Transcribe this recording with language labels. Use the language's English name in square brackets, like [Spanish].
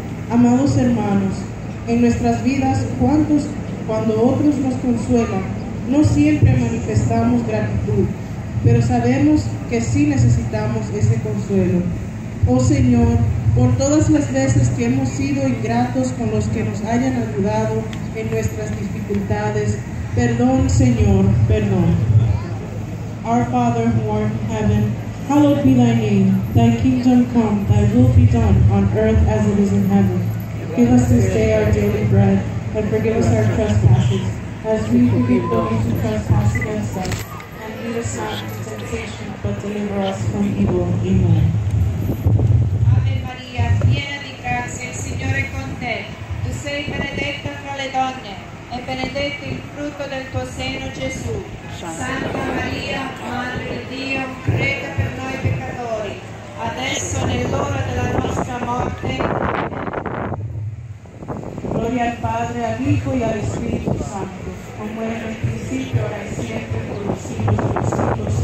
[Spanish] Amados hermanos, en nuestras vidas, cuando otros nos consuelan, no siempre manifestamos gratitud, pero sabemos que sí necesitamos ese consuelo. Oh Señor, por todas las veces que hemos sido ingratos con los que nos hayan ayudado en nuestras dificultades, perdón, Señor, perdón. [English] Our Father who art in heaven, hallowed be thy name. Thy kingdom come, thy will be done on earth as it is in heaven. Give us this day our daily bread, and forgive us our trespasses, as we forgive those who trespass against us. And lead us not into temptation, but deliver us from evil. Amen. [Italian] Ave Maria, piena di grazia, il Signore è con te. Tu sei benedetta fra le donne, e benedetto il frutto del tuo seno, Gesù. Santa Maria, Madre di Dio, prega per noi peccatori, adesso nell'ora della nostra morte. [Spanish] Gloria al Padre, al Hijo y al Espíritu Santo, como era en el principio, ahora y siempre, por los siglos de los siglos.